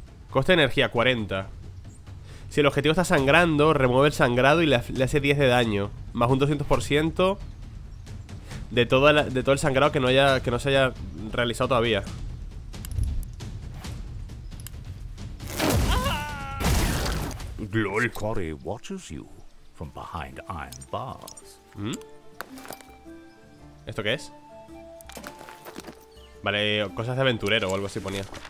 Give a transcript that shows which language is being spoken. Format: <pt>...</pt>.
<es>Coste de energía, 40. Si el objetivo está sangrando, remueve el sangrado y le hace 10 de daño. Más un 200% de todo el sangrado que no se haya realizado todavía.</es> <en>Glory Quarry watches you from behind iron bars.</en> <es>¿Esto qué es? Vale, cosas de aventurero o algo así ponía.</es>